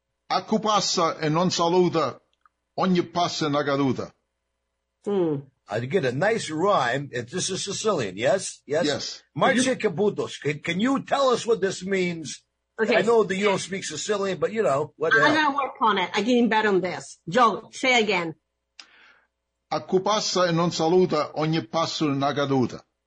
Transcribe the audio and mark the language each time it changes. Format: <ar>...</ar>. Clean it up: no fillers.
<scn>Acupassa e non saluta, ogni passa na caduta.</scn> <en>I get a nice rhyme. This is Sicilian, yes? Yes. Marcia Caputos, can you tell us what this means? Okay. I know that you don't speak Sicilian, but you know, what I'm going to work on it. I'm getting better on this. Joe, say again.</en> <scn>Acupassa e non saluta, ogni passo na caduta.</scn>